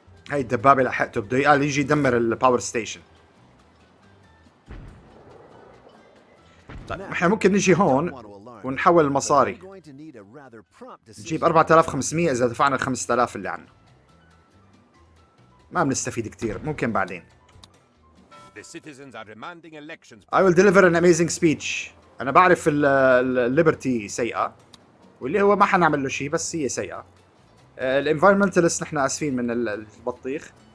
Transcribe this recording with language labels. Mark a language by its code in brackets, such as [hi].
[ar] هاي الدبابه لحقته بده يقال يجي يدمر الباور ستيشن. طيب احنا ممكن نجي هون ونحول المصاري. نجيب 4500 اذا دفعنا ال 5000 اللي عنا. ما بنستفيد كثير، ممكن بعدين. [en] The citizens are demanding elections. I will deliver an amazing speech. [ar] انا بعرف الليبرتي سيئه واللي هو ما حنعمل له شيء بس هي سيئه. الانفايرمنتالست نحن اسفين من البطيخ.